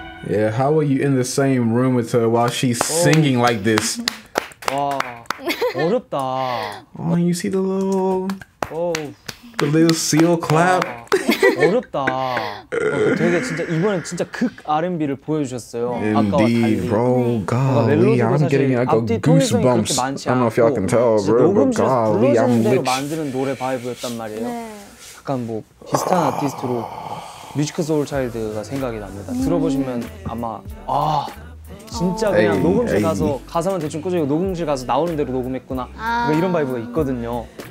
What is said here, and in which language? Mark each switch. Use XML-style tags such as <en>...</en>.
<en>Yeah, how are you in the same room with her while she's singing like this?</en> <ko>Wow, 어렵다.</ko> <en>Oh, you see the little, the little seal clap.</en> <ko>어렵다. 되게 진짜 이번에 진짜 극 R&B를 보여주셨어요.</ko> <en>Indeed, bro. Golly, I'm getting like goosebumps. I don't know if y'all can tell, bro. But golly, I'm rich.</en> <ko>만드는 노래 바이브였단 말이에요. 약간 뭐 비슷한 아티스트로 뮤지컬 소울 차일드가 생각이 납니다. 들어보시면 아마 아 진짜 그냥 녹음실 가서 가사만 대충 꾸준히 녹음실 가서 나오는 대로 녹음했구나 이런 바이브가 있거든요.</ko>